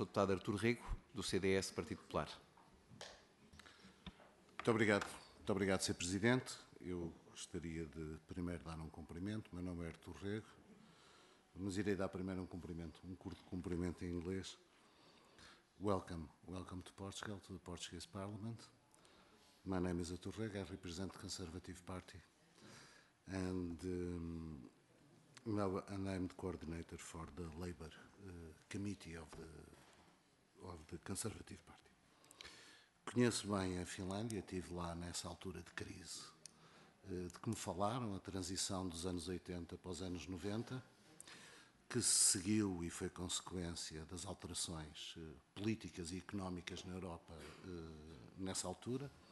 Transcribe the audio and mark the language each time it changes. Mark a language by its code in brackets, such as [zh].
[pt] Deputado Artur Rego, do CDS, Partido Popular. Muito obrigado, Sr. Presidente. Eu gostaria de primeiro dar um cumprimento. Meu nome é Artur Rego, mas irei dar primeiro um cumprimento, um curto cumprimento em inglês. [en] Welcome, welcome to Portugal, to the Portuguese Parliament. My name is Artur Rego, I represent the Conservative Party. And I'm the coordinator for the Labour Committee of the Conservative Party. [pt] Conheço bem a Finlândia, estive lá nessa altura de crise de que me falaram, a transição dos anos 80 para os anos 90, que seguiu e foi consequência das alterações políticas e económicas na Europa nessa altura.